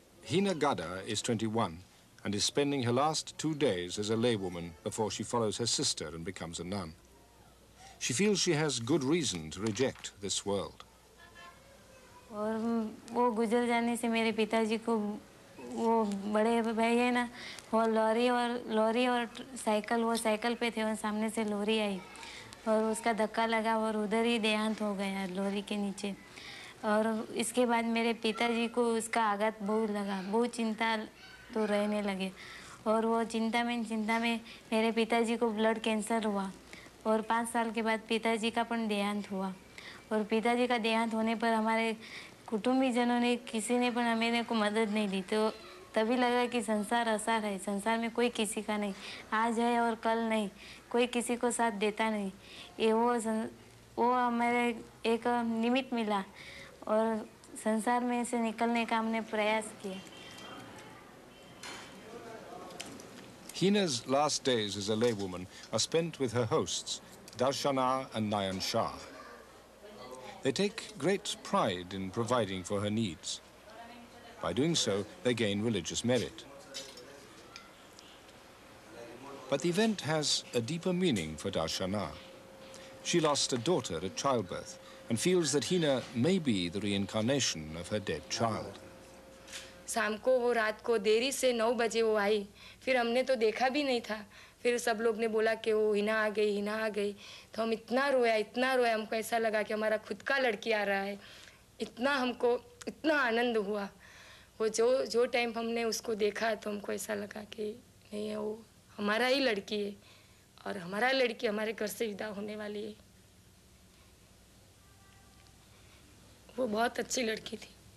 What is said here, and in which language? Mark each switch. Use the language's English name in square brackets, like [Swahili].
[English] Hina Gada is 21 and is spending her last 2 days as a laywoman before she follows her sister and becomes a nun. She feels she has good reason to reject this world. [Hindi] और वो गुजर जाने से मेरे पिताजी को वो बड़े भाई है ना वो लॉरी और साइकिल वो साइकिल पे थे और सामने से लॉरी आई और उसका धक्का लगा और उधर ही देहांत हो गया लॉरी के नीचे और इसके बाद मेरे पिताजी को उसका आघात बहुत लगा बहुत चिंता तो रहने लगे और वो चिंता में मेरे पिताजी को ब्लड कैंसर हुआ और 5 साल के बाद पिताजी का पण देहांत हुआ और पिताजी का देहांत होने पर हमारे कुटुंबीजनों ने किसी ने पण हमें को मदद नहीं दी तो तभी लगा कि संसार असार है संसार में कोई किसी का नहीं आज है और कल नहीं कोई किसी को साथ देता नहीं ये वो हमारे एक निमित्त मिला और संसार में से निकलने का हमने प्रयास किया [English] Hina's last days as a laywoman are spent with her hosts Darshana and Nayan Shah They take great pride in providing for her needs. By doing so, they gain religious merit. But the event has a deeper meaning for Darshana. She lost a daughter at childbirth and feels that Hina may be the reincarnation of her dead child. [Hindi] शाम को वो रात को देरी से 9 बजे वो आई फिर हमने तो देखा भी नहीं था फिर सब लोग ने बोला कि वो हिना आ गई तो हम इतना रोया हमको ऐसा लगा कि हमारा खुद का लड़की आ रहा है इतना हमको इतना आनंद हुआ वो जो जो टाइम हमने उसको देखा तो हमको ऐसा लगा कि नहीं है वो हमारा ही लड़की है और हमारा लड़की हमारे घर से विदा होने वाली है वो बहुत अच्छी लड़की थी